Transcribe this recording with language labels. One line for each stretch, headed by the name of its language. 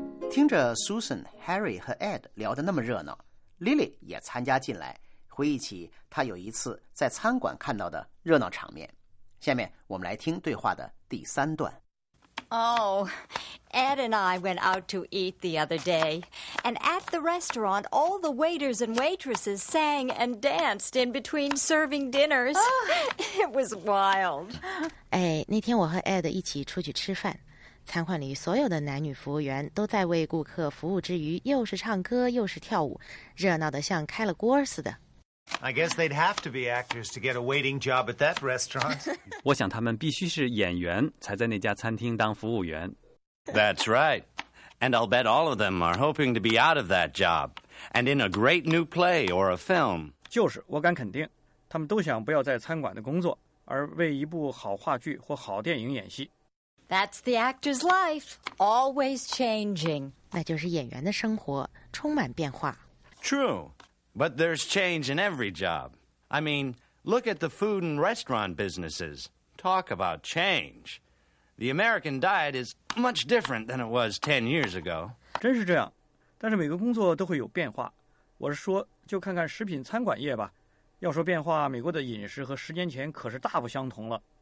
Chinese: 听着 Susan、 Harry 和 Ed 聊得那么热闹， Lily 也参加进来，回忆起她有一次在餐馆看到的热闹场面。下面我们来听对话的第三段。
English: Oh, Ed and I went out to eat the other day, and at the restaurant, all the waiters and waitresses sang and danced in between serving dinners. It was wild.
Chinese: 哎，那天我和 Ed 一起出去吃饭，餐馆里所有的男女服务员都在为顾客服务之余，又是唱歌又是跳舞，热闹得像开了锅似的。
English: I guess they'd have to be actors to get a waiting job at that restaurant.
Chinese: 我想他们必须是演员才在那家餐厅当服务员。
English: That's right. And I'll bet all of them are hoping to be out of that job and in a great new play or a film.
Chinese: 就是，我敢肯定，他们都想不要在餐馆的工作，而为一部好话剧或好电影演戏。
English: That's the actor's life, always changing.
Chinese: 那就是演员的生活，充满变化。
English: True, but there's change in every job. I mean, look at the food and restaurant businesses. Talk about change. The American diet is much different than it was 10 years ago.
Chinese: 真是这样，但是每个工作都会有变化。我是说，就看看食品餐馆业吧。要说变化，美国的饮食和十年前可是大不相同了。